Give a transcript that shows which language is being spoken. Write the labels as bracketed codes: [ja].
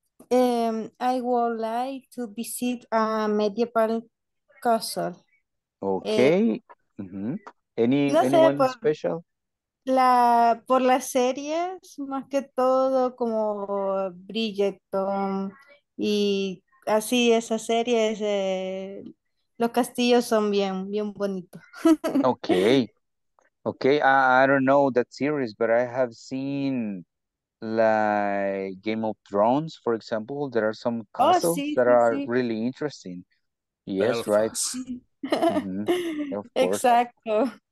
[en] I would like to visit a medieval castle. Okay. Mm-hmm. Anyone sé, por, special? [es] La por las series, más que todo como Bridgerton y así esas series, los castillos son bien, bien bonitos. [en] Okay. Okay, I don't know that series, but I have seen like Game of Thrones, for example. There are some castles that are really interesting. Yes, Belfast. Right. Mm-hmm. Of course. Exacto.